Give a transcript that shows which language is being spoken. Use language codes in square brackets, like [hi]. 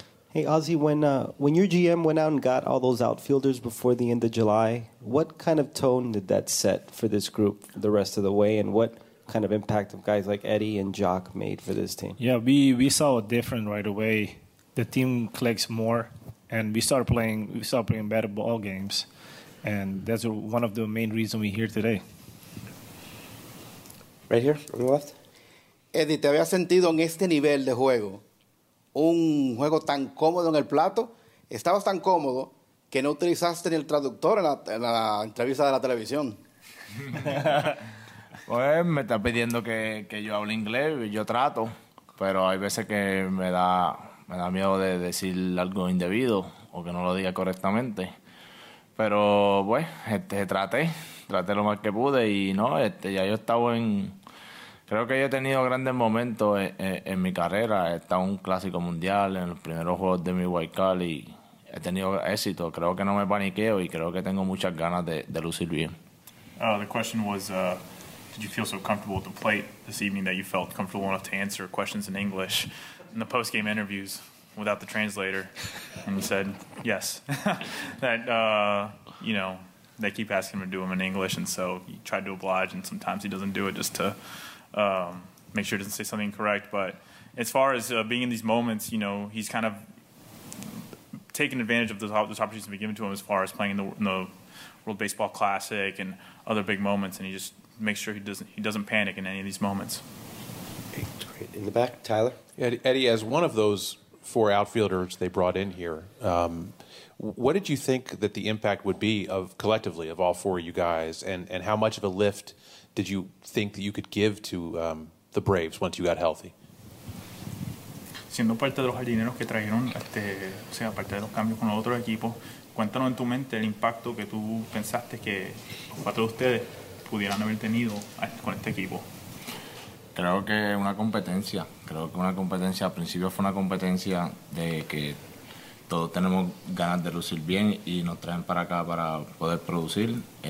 [en] Hey, Ozzie, when your GM went out and got all those outfielders before the end of July, what kind of tone did that set for this group the rest of the way, and what kind of impact have guys like Eddie and Jock made for this team? Yeah, we saw a difference right away. The team clicks more, and we started playing better ball games, and that's one of the main reasons we're here today. Right here, on the left. [es] Eddie, ¿te habías sentido en este nivel de juego? Un juego tan cómodo en el plato, estabas tan cómodo que no utilizaste ni el traductor en la entrevista de la televisión. Pues me está pidiendo que yo hable inglés y yo trato, pero hay veces que me da miedo de decir algo indebido o que no lo diga correctamente. Pero pues traté lo más que pude y no, ya yo estaba en... Creo que yo he tenido grandes momentos en mi carrera. He estado en un clásico mundial, en los primeros juegos de mi wild card, y he tenido éxito. Creo que no me paniqueo y creo que tengo muchas ganas de lucir bien. [en] The question was, did you feel so comfortable at the plate this evening that you felt comfortable enough to answer questions in English in the post-game interviews without the translator? And he said, yes. that they keep asking him to do them in English, and so he tried to oblige, and sometimes he doesn't do it just to... make sure he doesn't say something incorrect. But as far as being in these moments, you know, he's kind of taken advantage of those opportunities to be given to him, as far as playing in the World Baseball Classic and other big moments, and he just makes sure he doesn't panic in any of these moments. In the back, Tyler. Eddie, as one of those four outfielders they brought in here, what did you think that the impact would be of collectively of all four of you guys, and how much of a lift did you think that you could give to the Braves once you got healthy? [es] Siendo parte de los jardineros que trajeron, o sea, parte de los cambios con los otros equipos, cuéntanos en tu mente el impacto que tú pensaste que los cuatro de ustedes pudieran haber tenido con este equipo. Creo que una competencia. Creo que una competencia, al principio fue una competencia de que todos tenemos ganas de lucir bien y nos traen para acá para poder producir.